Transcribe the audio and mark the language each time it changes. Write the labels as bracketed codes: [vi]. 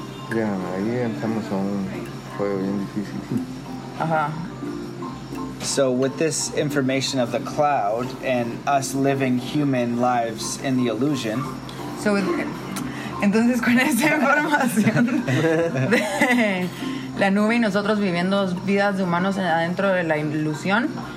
[es] Ya, yeah, ahí entramos a un juego bien difícil. Ajá. [en] So with this information of the cloud and us living human lives in the illusion. [es] So entonces con esa información de la nube y nosotros viviendo vidas de humanos adentro de la ilusión.